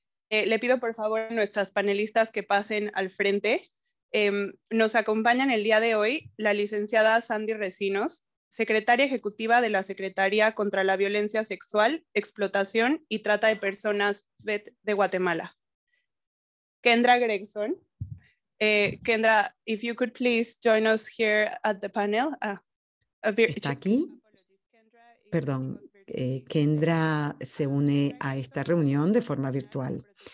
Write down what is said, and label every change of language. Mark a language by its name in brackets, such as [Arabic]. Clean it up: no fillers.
[Spanish] Le pido por favor a nuestras panelistas que pasen al frente. Nos acompañan el día de hoy la licenciada Sandy Recinos, secretaria ejecutiva de la Secretaría contra la Violencia Sexual, Explotación y Trata de Personas SVET de Guatemala. Kendra Gregson. [English] Kendra, if you could please join us here at the panel. [Spanish] ¿Está aquí? Perdón, Kendra se une a esta reunión de forma virtual.